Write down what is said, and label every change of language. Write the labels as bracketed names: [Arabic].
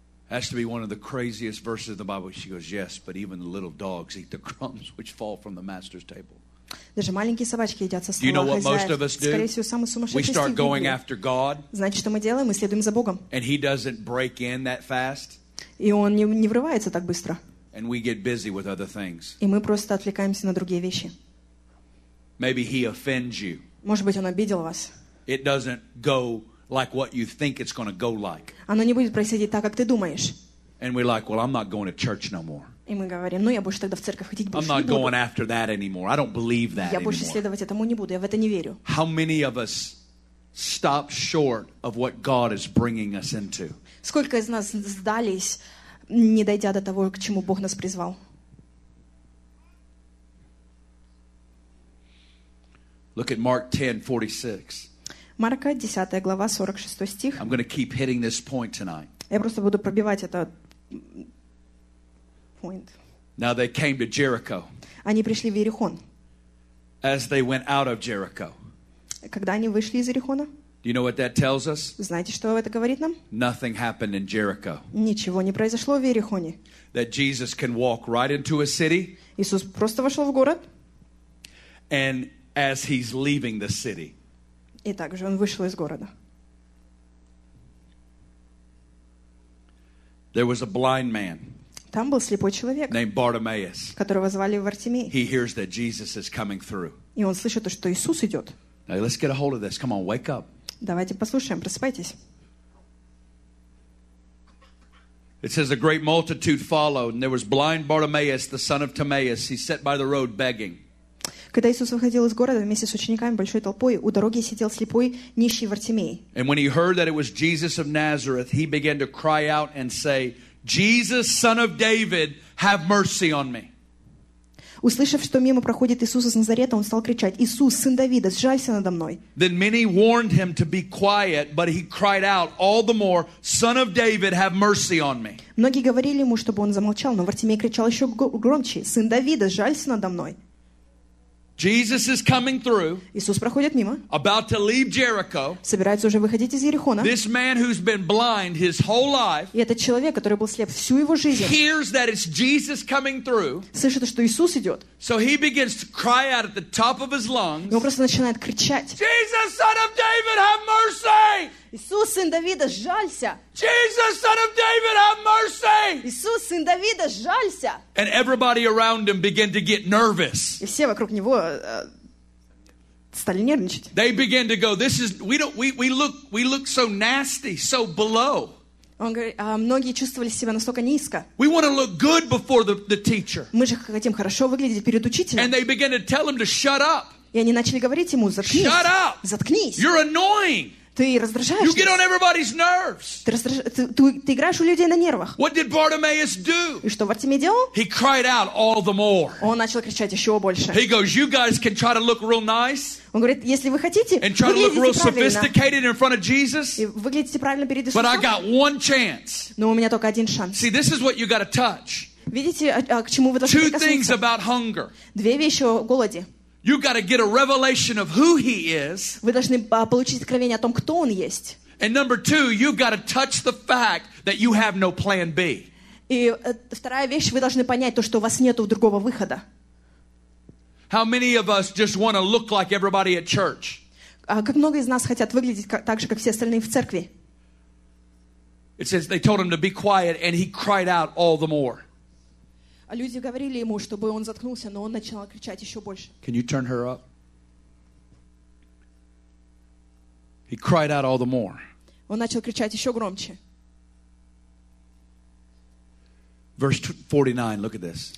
[English] Has to be one of the craziest verses in the Bible. She goes, "Yes, but even the little dogs eat the crumbs which fall from the master's table." [Russian] Даже маленькие собачки едят со стола хозяев. [English] You know what most of us do? [Russian] Скорее всего, самый сумасшедший. [English] We start going after God. [Russian] Значит, что мы делаем? Мы следуем за Богом. [English] And He doesn't break in that fast. [Russian] И он не врывается так быстро. [English] And we get busy with other things. [Russian] И мы просто отвлекаемся на другие вещи. [English] Maybe He offends you. [Russian] Может быть, он обидел вас. [English] It doesn't go like what you think it's going to go like. [Russian] Оно не будет происходить так, как ты думаешь. [English] And we're like, "Well, I'm not going to church no more." [Russian] И мы говорим, ну я больше тогда в церковь ходить больше не буду. [English] I'm not going after that anymore. I don't believe that anymore. [Russian] Я больше следовать этому не буду. Я в это не верю. [English] How many of us stop short of what God is bringing us into? [Russian] Сколько из нас сдались, не дойдя до того, к чему Бог нас призвал? [English] Look at Mark 10:46. [Russian] Марка, 10 глава, 46 стих. [English] I'm going to keep hitting this point tonight. [Russian] Я просто буду пробивать это [English] point. Now they came to Jericho. [Russian] Они пришли в Иерихон. [English] As they went out of Jericho. [Russian] Когда они вышли из Иерихона? [English] Do you know what that tells us? [Russian] Знаете, что это говорит нам? [English] Nothing happened in Jericho. [Russian] Ничего не произошло в Иерихоне. [English] That Jesus can walk right into a city. [Russian] Иисус просто вошел в город. [English] And as he's leaving the city. [Russian] И также он вышел из города. [English] There was a blind man. [Russian] Там был слепой человек. [English] Named Bartimaeus. [Russian] Которого звали Вартимей. [English] He hears that Jesus is coming through. [Russian] И он слышит, что Иисус идет. [English] Now let's get a hold of this. Come on, wake up. [Russian] Давайте послушаем, просыпайтесь. [English] It says a great multitude followed, and there was blind Bartimaeus, the son of Timaeus. He sat by the road begging. [Russian] Когда Иисус выходил из города вместе с учениками большой толпой, у дороги сидел слепой нищий Вартимей. [English] And when he heard that it was Jesus of Nazareth, he began to cry out and say, "Jesus, son of David, have mercy on me." [Russian] Услышав, что мимо проходит Иисус из Назарета, он стал кричать: "Иисус, сын Давида, сжалься надо мной." [English] Then many warned him to be quiet, but he cried out all the more, "Son of David, have mercy on me." [Russian] Многие говорили ему, чтобы он замолчал, но Вартимей кричал еще громче: "Сын Давида, сжалься надо мной." [English] Jesus is coming through. [Russian] Иисус проходит мимо. [English] About to leave Jericho. [Russian] Собирается уже выходить из Иерихона. [English] This man who's been blind his whole life. [Russian] И этот человек, который был слеп всю его жизнь. [English] Hears that it's Jesus coming through. [Russian] Слышит, что Иисус идет. [English] So he begins to cry out at the top of his lungs. [Russian] И он просто начинает кричать. [English] Jesus, son of David, have mercy! [Russian] Иисус, сын Давида, жалься! [English] Jesus, son of David, have mercy! [Russian] Иисус, сын Давида, жалься! [English] And everybody around him began to get nervous. [Russian] И все вокруг него стали нервничать. [English] They began to go, this is, we look so nasty, so below. [Russian] Он говорит, многие чувствовали себя настолько низко. [English] We want to look good before the teacher. [Russian] Мы же хотим хорошо выглядеть перед учителем. [English] And they began to tell him to shut up. [Russian] И они начали говорить ему: заткнись. [English] Shut up! [Russian] Заткнись! [English] You're annoying! [Russian] Ты раздражаешь. [English] You get on everybody's nerves. [Russian] Ты играешь у людей на нервах. [English] What did Bartimaeus do? [Russian] И что Вартимей делал? [English] He cried out all the more. [Russian] Он начал кричать еще больше. [English] He goes, "You guys can try to look real nice." [Russian] Он говорит, если вы хотите, [English] and try to look real sophisticated in front of Jesus. [Russian] И выглядите правильно перед Иисусом. [English] But I got one chance. [Russian] Но у меня только один шанс. [English] See, this is what you got to touch. [Russian] Видите, к чему вы должны прикоснуться? [English] Two things about hunger. [Russian] Две вещи о голоде. [English] You got to get a revelation of who he is. [Russian] Вы должны получить откровение о том, кто он есть. [English] And number two, you got to touch the fact that you have no plan B. [Russian] И вторая вещь, вы должны понять то, что у вас нету другого выхода. [English] How many of us just want to look like everybody at church? [Russian] Как много из нас хотят выглядеть так же, как все остальные в церкви? [English] It says they told him to be quiet, and he cried out all the more. [Russian] А люди говорили ему, чтобы он заткнулся, но он начинал кричать еще больше. [English] Can you turn her up? He cried out all the more. [Russian] Он начал кричать еще громче. [English] Verse 49, look at this.